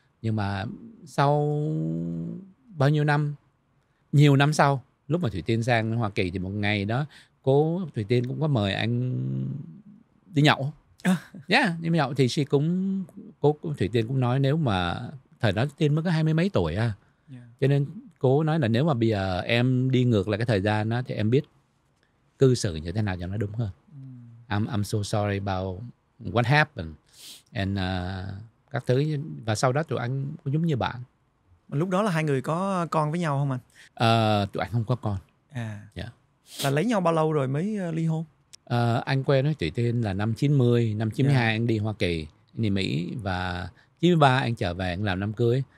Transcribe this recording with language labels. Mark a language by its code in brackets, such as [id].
[vi] Nhưng mà sau bao nhiêu năm, nhiều năm sau, lúc mà Thủy Tiên sang Hoa Kỳ thì một ngày đó cô Thủy Tiên cũng có mời anh đi nhậu. Đi nhậu thì she cũng, cô Thủy Tiên cũng nói nếu mà thời đó Tiên mới có 20 mấy tuổi cho nên cô nói là nếu mà bây giờ em đi ngược lại cái thời gian đó thì em biết cư xử như thế nào cho nó đúng hơn. [en] I'm so sorry about what happened and [vi] các thứ. Và sau đó tụi anh cũng giống như bạn. Lúc đó là hai người có con với nhau không anh? Tụi anh không có con. Là lấy nhau bao lâu rồi mới ly hôn? Anh quen với Thủy Tiên là năm 90, năm 92 anh đi Hoa Kỳ, anh đi Mỹ. Và 93 anh trở về, anh làm đám cưới.